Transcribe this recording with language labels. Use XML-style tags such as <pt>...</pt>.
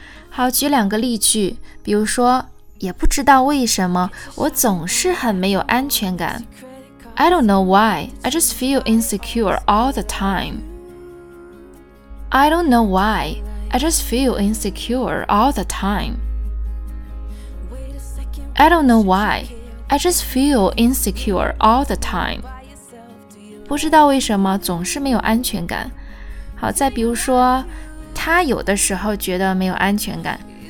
<zh>好，举两个例句，比如说，也不知道为什么我总是很没有安全感。</zh> <en>I don't know why, I just feel insecure all the time. I don't know why, I just feel insecure all the time. I don't know why, I just feel insecure all the time.</en> <zh>不知道为什么总是没有安全感。好，再比如说，他有的时候觉得没有安全感。</zh>